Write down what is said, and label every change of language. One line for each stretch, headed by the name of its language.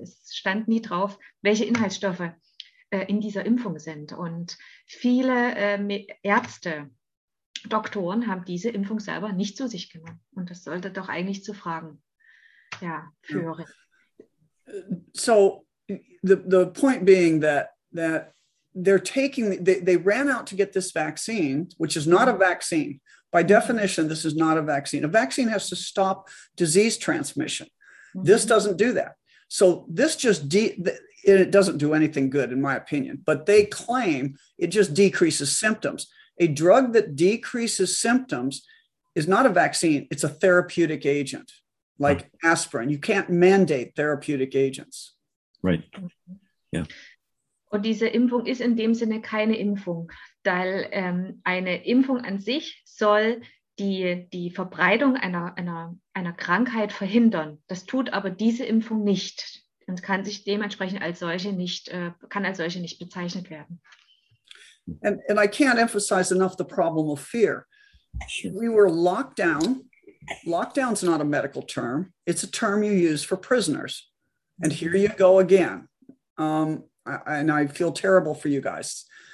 German: Es stand nie drauf, welche Inhaltsstoffe in dieser Impfung sind. Und viele Ärzte, Doktoren haben diese Impfung selber nicht zu sich genommen. Und das sollte doch eigentlich zu fragen.
English: Yeah. So the point being that they're taking, they ran out to get this vaccine, which is not a vaccine. By definition, this is not a vaccine. A vaccine has to stop disease transmission. Mm-hmm. This doesn't do that. So this just, it doesn't do anything good in my opinion, but they claim it just decreases symptoms. A drug that decreases symptoms is not a vaccine. It's a therapeutic agent. Like aspirin, you can't mandate therapeutic agents. Right. Yeah.
German: Und diese Impfung ist in dem Sinne keine Impfung, weil eine Impfung an sich soll die Verbreitung einer Krankheit verhindern. Das tut aber diese Impfung nicht und kann sich dementsprechend als solche nicht bezeichnet werden.
English: And I can't emphasize enough the problem of fear. We were locked down. Lockdown is not a medical term. It's a term you use for prisoners. And here you go again. And I feel terrible for you guys.